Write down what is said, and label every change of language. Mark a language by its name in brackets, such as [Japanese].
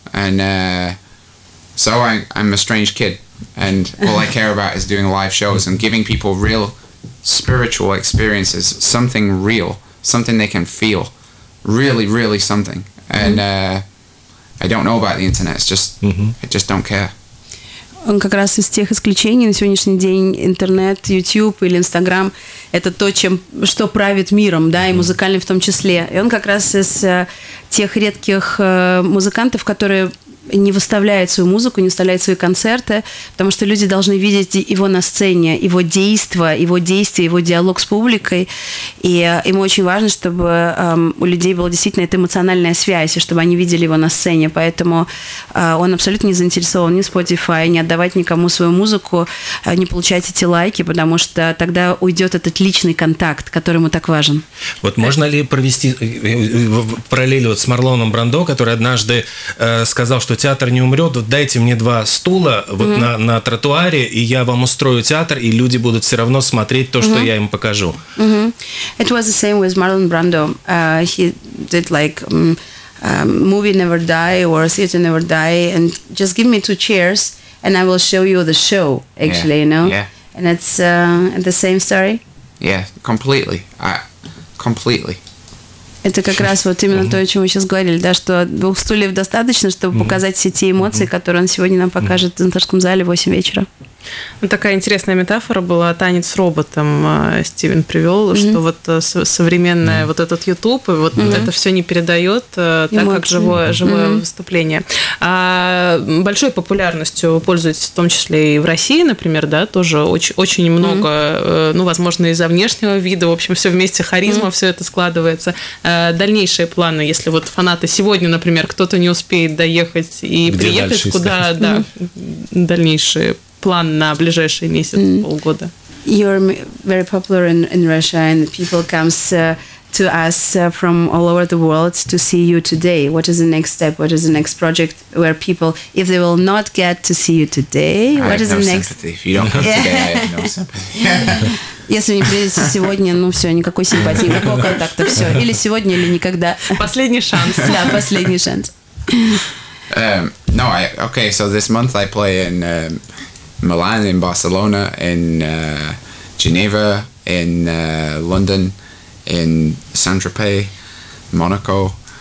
[English] And so I'm a strange kid, and all I care about is doing live shows and giving people real spiritual experiences, something real, something they can feel, really, really something. And I don't know about the internet. It's just, I just don't care. [Russian] Он как раз из тех исключений. На сегодняшний день интернет, YouTube или Instagram – это то, чем, что правит миром, да, и музыкальным в том числе. И он как раз из тех редких музыкантов, которые не выставляют свою музыку, не выставляют свои концерты, потому что люди должны видеть его на сцене, его действия, его действия, его диалог с публикой. И ему очень важно, чтобы у людей была действительно эта эмоциональная связь, и чтобы они видели его на сцене. Поэтому он абсолютно не заинтересован ни Spotify, ни отдавать никому свою музыку, не получать эти лайки, потому что тогда уйдет этот личный контакт, который ему так важен. Вот можно ли провести параллель вот с Марлоном Брандо, который однажды сказал, что театр не умрет, вот дайте мне два стула вот на тротуаре, и я вам устрою театр, и люди будут все равно смотреть то, что я им покажу. [English] It was the same with Marlon Brando. He did like movie never die or theater never die, and just give me two chairs, and I will show you the show, actually, you know? Yeah. And it's the same story? Yeah, completely. Completely. [Russian] Это как раз вот именно то, о чем мы сейчас говорили, да, что двух стульев достаточно, чтобы показать все те эмоции, которые он сегодня нам покажет в Центральном зале в 8 вечера. Ну, такая интересная метафора была, танец с роботом Стивен привел, что вот современное вот этот YouTube, и вот это все не передает так, как живое выступление. А большой популярностью пользуется в том числе и в России, например, да, тоже очень много, ну, возможно, из-за внешнего вида, в общем, все вместе, харизма, все это складывается. Дальнейшие планы, если вот фанаты сегодня, например, кто-то не успеет доехать и где приехать, дальше, куда, да, дальнейшие план на ближайший месяц, полгода. [English] You're very popular in Russia, and people comes to us from all over the world to see you today. What is the next step? What is the next project where people, if they will not get to see you today, what is no the next? If you don't come today, [Russian] Если не приедете сегодня, ну все, никакой симпатии, никакого контакта, все. Или сегодня, или никогда. Последний шанс. Да, последний шанс. [English] No, I, okay, so this month I play in Milan, in Barcelona, in Geneva, in London, in Saint-Tropez, Monaco.